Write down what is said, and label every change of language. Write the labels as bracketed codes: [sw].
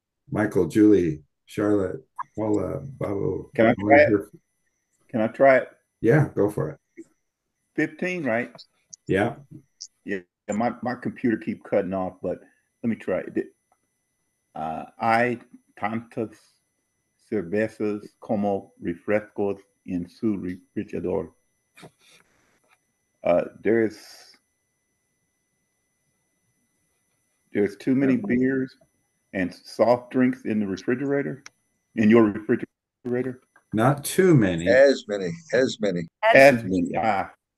[en] Michael, Julie, Charlotte, Paula, Babu. Can I try it? Yeah, go for it. 15, right? Yeah. Yeah. And my computer keep cutting off, but let me try. [es] Hay tantas cervezas como refrescos en su refrigerador. [en] There's too many beers and soft drinks in the refrigerator, in your refrigerator. Not too many. As many. Ah.